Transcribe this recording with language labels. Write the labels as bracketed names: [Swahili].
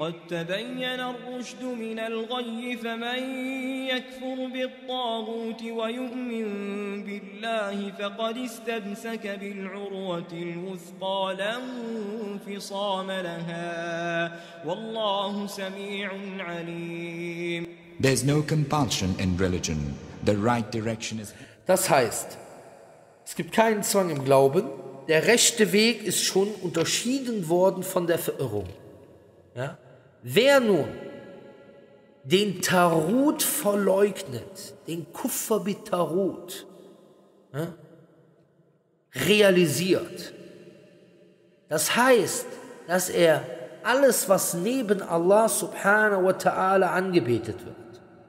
[Arabic] قد تبين الرشد من الغي فمن يكفر بالطاغوت ويؤمن بالله فقد استمسك بالعروة الوثقى لا انفصام لها والله سميع عليم. [English] There's no compulsion in religion. The right direction is. [German] Das heißt, es gibt keinen Zwang im Glauben. Der rechte Weg ist schon unterschieden worden von der Verirrung. Ja? Wer nun den Tarut verleugnet, den Kuffer mit Tarut, ja, realisiert, das heißt, dass er alles, was neben Allah [Arabic] subhanahu wa ta'ala [German] angebetet wird,